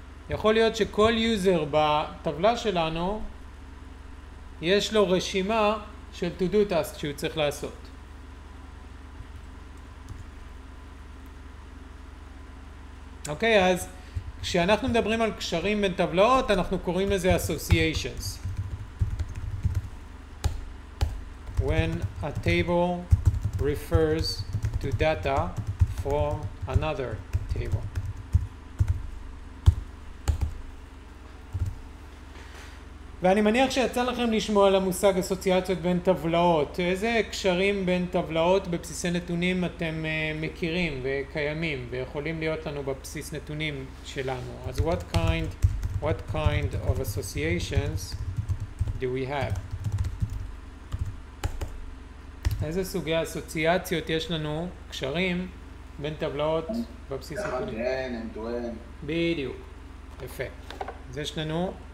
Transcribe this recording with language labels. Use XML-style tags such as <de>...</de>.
<he>יכול להיות שכל יוזר בטבלה שלנו יש לו רשימה של to do task שהוא צריך לעשות. אוקיי, אז כשאנחנו מדברים על קשרים בין טבלאות, אנחנו קוראים לזה associations.</he> <en>When a table refers to data from another table.</en> <he>ואני מניח שיצא לכם לשמוע על המושג אסוציאציות בין טבלאות. איזה קשרים בין טבלאות בבסיסי נתונים אתם מכירים וקיימים ויכולים להיות לנו בבסיס נתונים שלנו? אז</he> <en>what kind of associations do we have?</en> <he>איזה סוגי אסוציאציות יש לנו, קשרים בין טבלאות בבסיס נתונים? כן, הם טוען. בדיוק, יפה. אז יש לנו...</he>